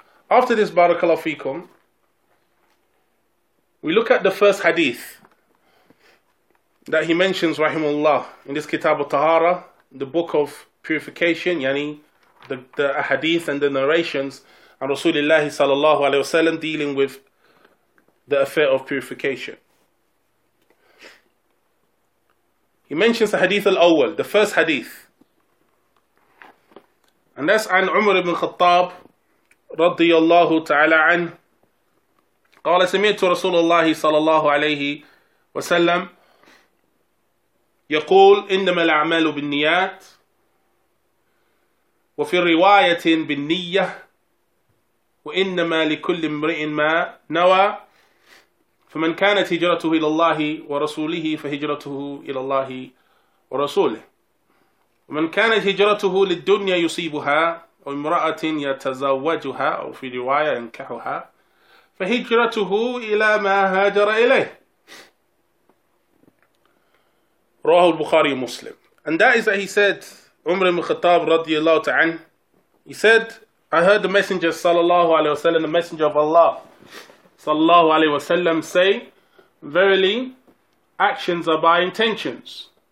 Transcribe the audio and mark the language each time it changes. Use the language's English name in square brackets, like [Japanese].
[English] After this, barakallahu feekum, we look at the first hadith that he mentions, rahimullah, in this Kitab al-Tahara, the book of purification, yani the ahadith and the narrations of Rasulullah sallallahu alayhi wa sallam dealing with the affair of purification. He mentions the hadith al-awwal, the first hadith. [Arabic] And that's an Umar ibn Khattab, radiyallahu ta'ala an, qala samitu Rasulullah sallallahu alayhi wa sallam يقول إنما الأعمال بالنيات وفي الرواية بالنية وإنما لكل امرئ ما نوى فمن كانت هجرته إلى الله ورسوله فهجرته إلى الله ورسوله ومن كانت هجرته للدنيا يصيبها أو امرأة يتزوجها أو في رواية ينكحها فهجرته إلى ما هاجر إليه. Rahul Bukhari Muslim. [English] And that is that he said, Umar ibn Khattab radiallahu ta'an, he said, I heard the Messenger sallallahu alayhi wa sallam, the Messenger of Allah sallallahu alayhi wa sallam say, verily, actions are by intentions.